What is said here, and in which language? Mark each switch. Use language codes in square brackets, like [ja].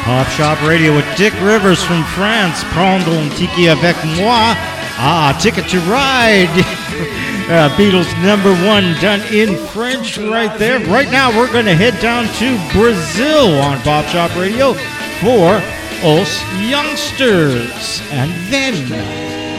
[en] Shop Radio with Dick Rivers from France. [fr] Prendre un ticket avec moi. [en] Ah, Ticket to Ride. Beatles number one done in French right there. Right now, we're going to head down to Brazil on Pop Shop Radio for Os Youngsters. And then...